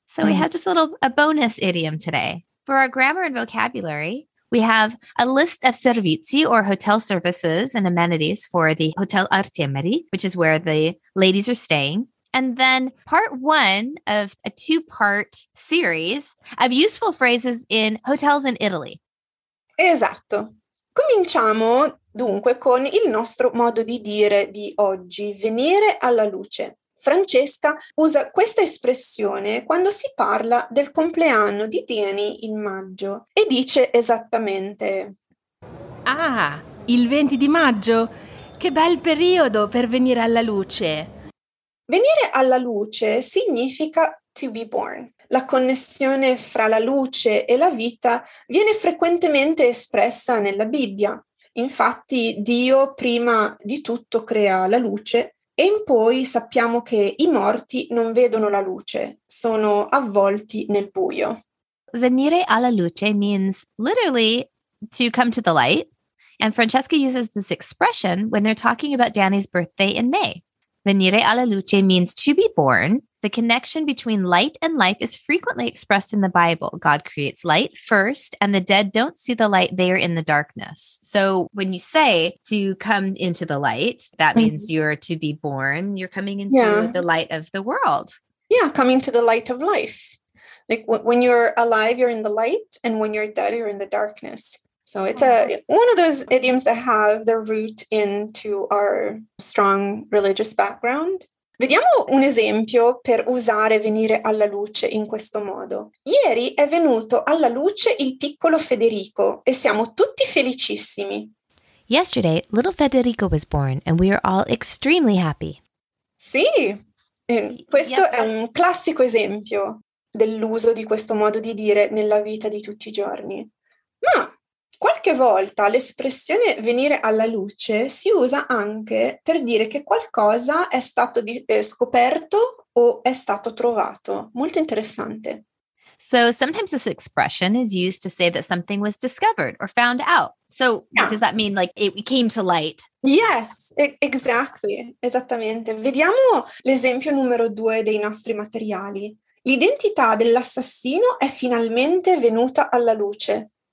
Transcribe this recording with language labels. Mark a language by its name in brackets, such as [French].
[English] So we have just a bonus idiom today. For our grammar and vocabulary, we have a list of servizi or hotel services and amenities for the Hotel Artemari, which is where the ladies are staying. And then part one of a two-part series of useful phrases in hotels in Italy. [Italian] Esatto. Cominciamo dunque con il nostro modo di dire di oggi, venire alla luce. Francesca usa questa espressione quando si parla del compleanno di Danny in maggio e dice esattamente: ah, il 20 di maggio? Che bel periodo per venire alla luce! Venire alla luce significa [English] to be born. [Italian] La connessione fra la luce e la vita viene frequentemente espressa nella Bibbia. Infatti Dio prima di tutto crea la luce e in poi sappiamo che i morti non vedono la luce, sono avvolti nel buio. Venire alla luce [English] means literally to come to the light. And Francesca uses this expression when they're talking about Danny's birthday in May. [Italian] Venire alla luce [English] means to be born. The connection between light and life is frequently expressed in the Bible. God creates light first, and the dead don't see the light. They are in the darkness. So when you say to come into the light, that means you're to be born. You're coming into the light of the world. Yeah, coming to the light of life. Like when you're alive, you're in the light, and when you're dead, you're in the darkness. So it's one of those idioms that have their root into our strong religious background. [Italian] Vediamo un esempio per usare venire alla luce in questo modo. Ieri è venuto alla luce il piccolo Federico e siamo tutti felicissimi. [English] Yesterday, little Federico was born and we are all extremely happy. [Italian] Sì, questo è un classico esempio dell'uso di questo modo di dire nella vita di tutti i giorni. Ma qualche volta l'espressione venire alla luce si usa anche per dire che qualcosa è stato scoperto o è stato trovato. Molto interessante. [English] So sometimes this expression is used to say that something was discovered or found out. So does that mean like it came to light? Yes, exactly. [Italian] Esattamente. Vediamo l'esempio numero due dei nostri materiali. L'identità dell'assassino è finalmente venuta alla luce.